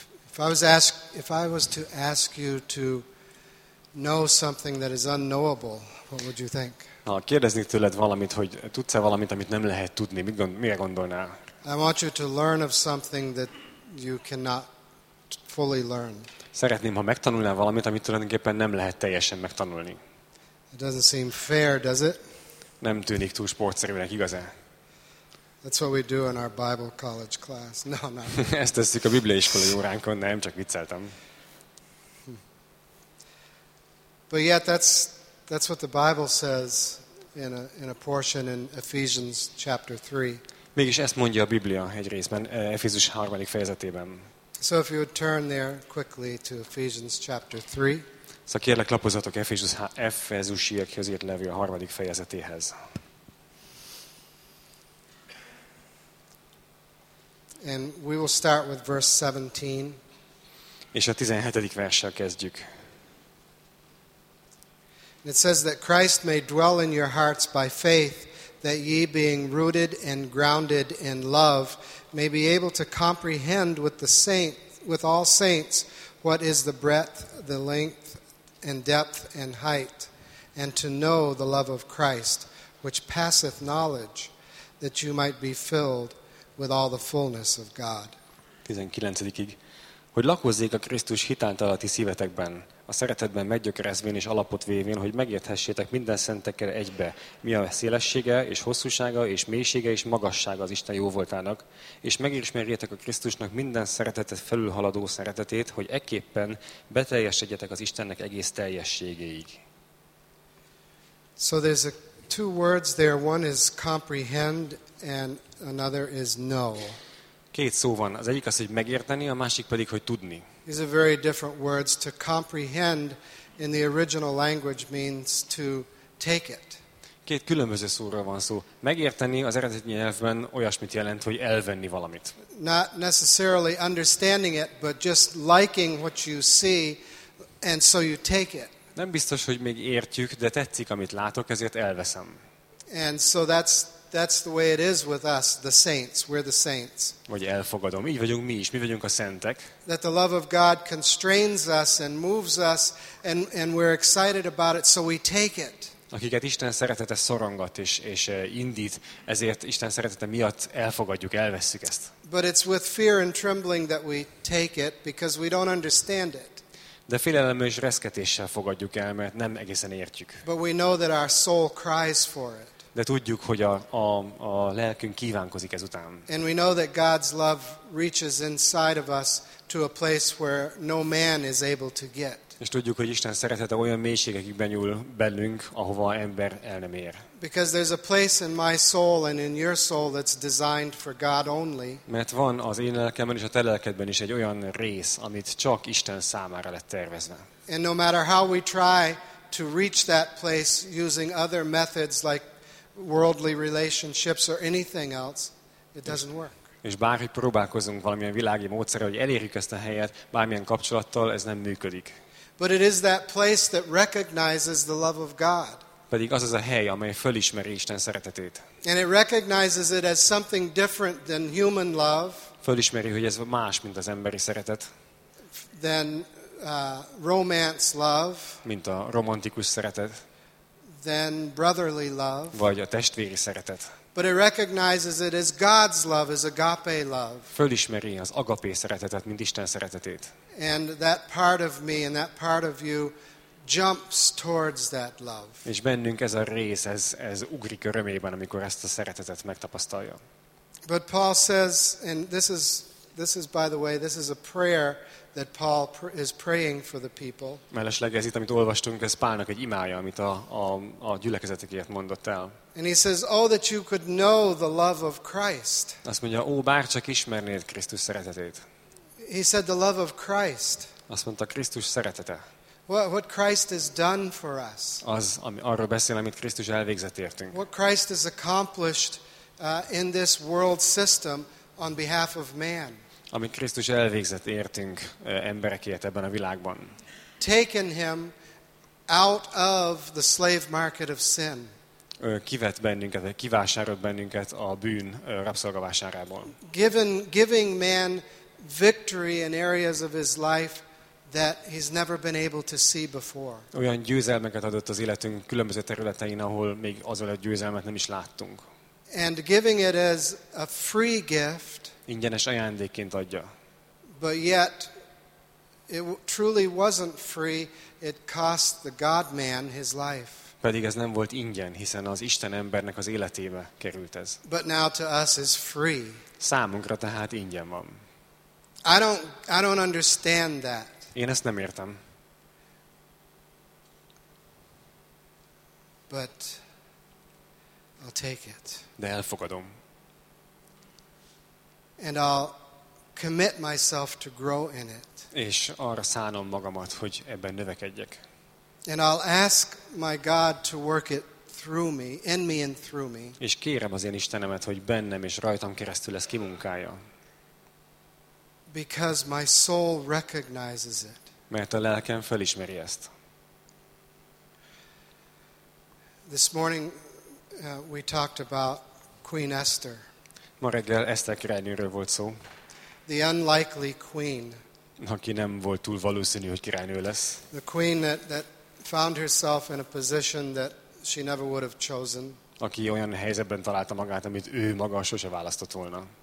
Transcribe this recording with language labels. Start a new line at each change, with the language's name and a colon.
English: If I was to ask you to know something that is unknowable, what would you think?
Hungarian: Ha kérdeznék tőled valamit, hogy tudsz-e valamit, amit nem lehet tudni, mire gondolnál?
English: I want you to learn of something that you cannot fully learn.
Hungarian: Szeretném, ha megtanulnál valamit, amit tulajdonképpen nem lehet teljesen megtanulni.
English: It doesn't seem fair, does it?
Hungarian: Nem tűnik túl sportszerűnek, igaz-e?
English: That's what we do in our Bible college class. No, no.
Hungarian: Ezt tesszük a Biblia iskolai óránkon, nem, csak vicceltem.
English: But yet that's what the Bible says in a portion in Ephesians chapter 3.
Hungarian: Mégis ezt mondja a Biblia egy részben, Efézus 3. fejezetében.
English: So if you would turn there quickly to Ephesians chapter 3.
Hungarian: Szóval kérlek, lapozzatok Efézusiakhoz írt levél a 3. fejezetéhez.
English: And we will start with verse 17.
Hungarian: És a 17. verssel kezdjük.
English: It says that Christ may dwell in your hearts by faith, that ye being rooted and grounded in love may be able to comprehend with all saints what is the breadth, the length, and depth, and height, and to know the love of Christ, which passeth knowledge, that you might be filled with all the fullness of God. 19.
Hungarian: Hogy lakozzék a Krisztus hitáltalati szívetekben, a szeretetben meggyökerezvén és alapot vévén, hogy megérthessétek minden szentekkel egybe, mi a szélessége és hosszúsága és mélysége és magassága az Isten jóvoltának, és megismerjétek a Krisztusnak minden szeretetet felülhaladó szeretetét, hogy ekképpen beteljesedjetek az Istennek egész teljességéig.
English: So there's two words there. One is comprehend and another is know.
Hungarian: Két szó van. Az egyik az, hogy megérteni, a másik pedig, hogy tudni.
English: These are very different words. To comprehend in the original language means to take it.
Hungarian: Két különböző szóról van szó. Megérteni az eredeti nyelvben olyasmit jelent, hogy elvenni valamit.
English: Not necessarily understanding it, but just liking what you see, and so you take it.
Hungarian: Nem biztos, hogy még értjük, de tetszik, amit látok, ezért elveszem.
English: And so that's the way it is with us, the saints. We're the saints.
Hungarian: Vagy elfogadom. Így vagyunk mi is. Mi vagyunk a szentek.
English: That the love of God constrains us and moves us, and we're excited about it, so we take it.
Hungarian: Akiket Isten szeretete szorongat és indít, ezért Isten szeretete miatt elfogadjuk, elvesszük ezt.
English: But it's with fear and trembling that we take it, because we don't understand it.
Hungarian: De félelemmel és reszketéssel fogadjuk el, mert nem egészen értjük.
English: But we know that our soul cries for it.
Hungarian: De tudjuk, hogy a lelkünk kívánkozik ezután.
English: And we know that God's love reaches inside of us to a place where no man is able to get.
Hungarian: És tudjuk, hogy Isten szeretete olyan mélységekig benyúl bennünk, ahova ember el nem ér.
English: Because there's a place in my soul and in your soul that's designed for God only.
Hungarian: Mert van az én lelkemben és a te lelkedben is egy olyan rész, amit csak Isten számára lett tervezve.
English: And no matter how we try to reach that place using other methods like worldly relationships or anything else, it doesn't work.
Hungarian: És bárki próbálkozunk valamilyen világi módszerrel, hogy elérjük ezt a helyet, bármilyen kapcsolattal, ez nem működik.
English: But it is that place that recognizes the love of God.
Hungarian: Pedig az az a hely, amely fölismeri Isten szeretetét.
English: And it recognizes it as something different than human love.
Hungarian: Fölismeri, hogy ez más, mint az emberi szeretet.
English: Than romance love.
Hungarian: Mint a romantikus szeretet.
English: Than brotherly love.
Hungarian: Vagy a testvéri szeretet.
English: But it recognizes it as God's love, as agape love.
Hungarian: Fölismeri az agapé szeretetet, mint Isten szeretetét.
English: And that part of me and that part of you jumps towards that love.
Hungarian: És bennünk ez a rész, ez ugrik örömében, amikor ezt a szeretetet megtapasztalja.
English: But Paul says, and this is by the way, this is a prayer that Paul is praying for the people.
Hungarian: Mellesleg ez itt, amit olvastunk, ez Pálnak egy imája, amit a gyülekezetekért mondott el.
English: And he says, oh, that you could know the love of Christ.
Hungarian: Azt mondja, ó, bárcsak ismernéd Krisztus szeretetét.
English: He said, the love of Christ.
Hungarian: Azt mondta, Krisztus szeretete.
English: What Christ has done for us.
Hungarian: Az, arról beszél, amit Krisztus elvégzett értünk.
English: What Christ has accomplished in this world system on behalf of man.
Hungarian: Amit Krisztus elvégzett értünk emberekért ebben a világban.
English: Taken him out of the slave market of sin.
Hungarian: kivett bennünket, kivásárolt bennünket a bűn rabszolgavásárából.
English: Giving man victory in areas of his life that he's never been able to see before.
Hungarian: Olyan győzelmeket adott az életünk különböző területein, ahol még azon a győzelmet nem is láttunk.
English: And giving it as a free gift.
Hungarian: Ingyenes ajándékként adja.
English: But yet it truly wasn't free. It cost the God-man his life.
Hungarian: Pedig ez nem volt ingyen, hiszen az Isten embernek az életébe került ez.
English: But now to us is free.
Hungarian: Számunkra tehát ingyen van.
English: I don't understand that.
Hungarian: Én ezt nem értem.
English: But I'll take it.
Hungarian: De elfogadom.
English: And I'll commit myself to grow in it.
Hungarian: És arra szánom magamat, hogy ebben növekedjek.
English: And I'll ask my God to work it through me, in me and through me.
Hungarian: És kérem az én Istenemet, hogy bennem és rajtam keresztül ezt kimunkálja.
English: Because my soul recognizes it.
Hungarian: Mert a lelkem felismeri ezt.
English: This morning we talked about Queen Esther.
Hungarian: Ma reggel Eszter királynőről volt szó.
English: The unlikely queen.
Hungarian: Aki nem volt túl valószínű, hogy királynő lesz.
English: The queen that found herself in a position that she never would have chosen.
Hungarian: Aki olyan helyzetben találta magát, amit ő maga sose választott volna.